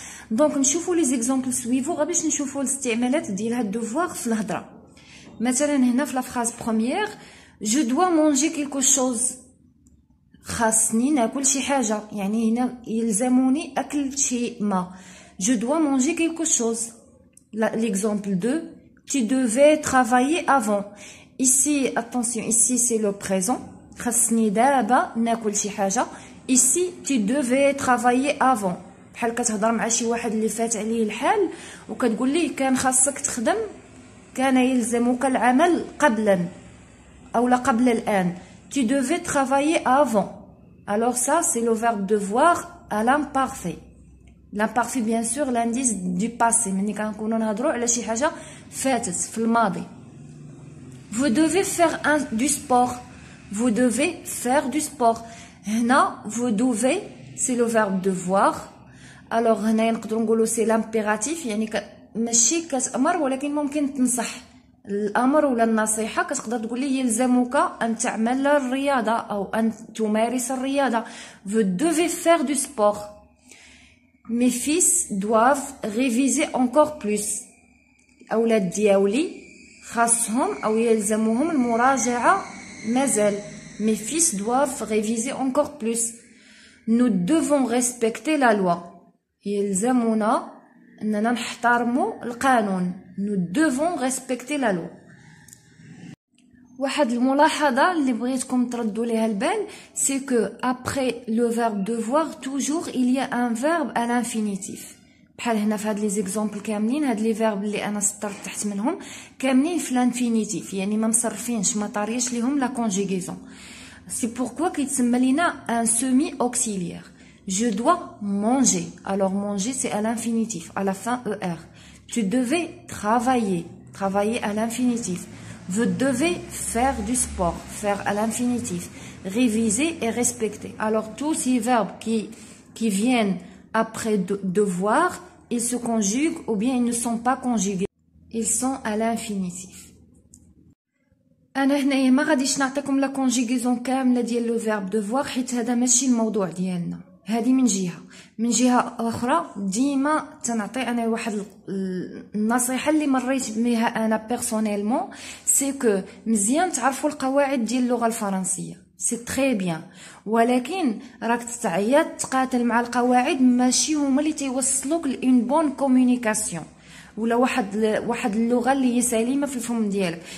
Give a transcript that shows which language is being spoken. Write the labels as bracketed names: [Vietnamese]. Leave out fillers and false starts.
[Arabic] دونك نشوفو [French] لي زيكزامبل سويفو [Arabic] غير باش نشوفو الاستعمالات ديال هاد devoir في الهضره. مثلا هنا في [French] لا فراز بروميير je dois manger quelque chose. [Arabic] خاصني ناكل شي حاجه، يعني هنا يلزموني اكل شي ما. [French] je dois manger quelque chose. l'exemple 2 tu devais travailler avant. ici attention ici c'est le présent. [Arabic] خاصني دابا ناكل شي حاجه. [French] ici tu devais travailler avant. [Arabic] بحال كتهضر مع شي واحد اللي فات عليه الحال وكتقول ليه كان خاصك تخدم، كان يلزمك العمل قبلا أو قبل الآن. [French] tu devais travailler avant. alors ça c'est le verbe devoir à l'imparfait. l'imparfait bien sûr l'indice du passé. [Arabic] ملي كنكونو نهضرو على شي حاجة فاتت في الماضي. [French] vous devez faire du sport. vous devez faire du sport. [Arabic] هنا [French] vous devez c'est le verbe devoir. alors [Arabic] هنا نقدرو نقولو [French] c'est l'impératif، [Arabic] يعني ماشي كتأمر ولكن ممكن تنصح. الامر ولا النصيحه كتقدر تقول لي يلزمك ان تعمل الرياضه او ان تمارس الرياضه. [French] vous devez faire du sport. mes fils doivent réviser encore plus. [Arabic] اولاد ديالي خاصهم او يلزمهم المراجعه مازال. [French] mes fils doivent réviser encore plus. nous devons respecter la loi. [Arabic] يلزمنا اننا نحترموا القانون. [French] nous devons respecter la loi. [Arabic] واحد الملاحظه اللي بغيتكم تردوا ليها البال [French] سي كو ابري لو فيرب devoir toujours il y a un verbe à l'infinitif. [Arabic] بحال هنا في هاد [French] لي زيكزامبل [Arabic] كاملين هاد [French] لي فيرب [Arabic] اللي انا سطرت تحت منهم كاملين في الانفينيتيف، يعني ما مصرفينش ما طاريش ليهم لا كونجيغيزون. [French] سي بوركو [Arabic] كيتسمى لينا [French] ان سيمي اوكسيليير. je dois manger. alors manger c'est à l'infinitif à la fin er. tu devais travailler. travailler à l'infinitif. vous devez faire du sport. faire à l'infinitif. réviser et respecter. alors tous ces verbes qui viennent après devoir, ils se conjuguent ou bien ils ne sont pas conjugués. ils sont à l'infinitif. [Arabic] انا هنايا ما غاديش نعطيكم لا كونجيغيزون كامله ديال لو فيرب devoir حيت هذا ماشي الموضوع ديالنا. هذه من جهه. من جهه اخرى ديما تنعطي انا واحد النصيحه اللي مريت بها انا [French] بيرسونيلمون سي كو [Arabic] مزيان تعرفوا القواعد ديال اللغه الفرنسيه [French] سي تري بيان، [Arabic] ولكن راك تتعيط تقاتل مع القواعد ماشي هما اللي تيوصلوك [French] لان بون كومونيكاسيون [Arabic] ولا واحد اللغه اللي هي سليمه في الفم ديالك.